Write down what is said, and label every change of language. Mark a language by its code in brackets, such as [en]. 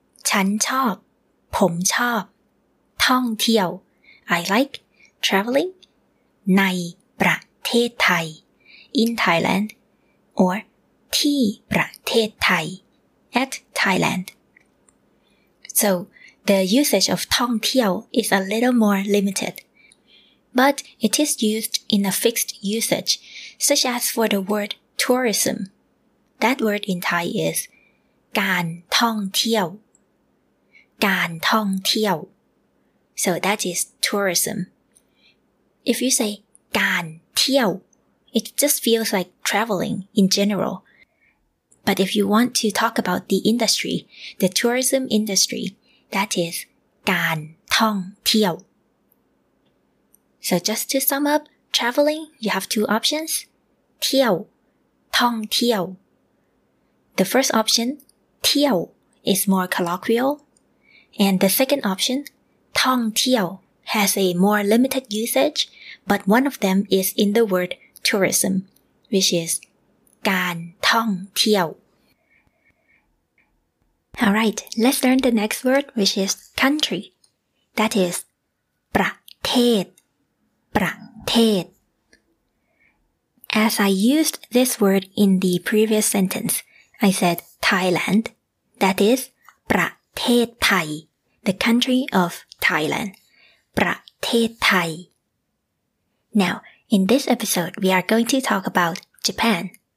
[th] ฉันชอบผมชอบท่องเที่ยว [en] I like traveling [th] ในประเทศไทย [en] in Thailand or [th] ที่ประเทศไทย [en] at Thailand soThe usage of ท่องเที่ยว is a little more limited. But it is used in a fixed usage, such as for the word tourism. That word in Thai is การท่องเที่ยว การท่องเที่ยว So that is tourism. If you say การเที่ยว, it just feels like traveling in general. But if you want to talk about the industry, the tourism industry,That is, การท่องเที่ยว. So just to sum up, traveling, you have two options. เที่ยว, ท่องเที่ยว. The first option, เที่ยว, is more colloquial. And the second option, ท่องเที่ยว, has a more limited usage, but one of them is in the word tourism, which is การท่องเที่ยวAlright, let's learn the next word, which is country. That is, ประเทศ, ประเทศ. As I used this word in the previous sentence, I said Thailand. That is, ประเทศไทย, the country of Thailand. ประเทศไทย. Now, in this episode, we are going to talk about Japan.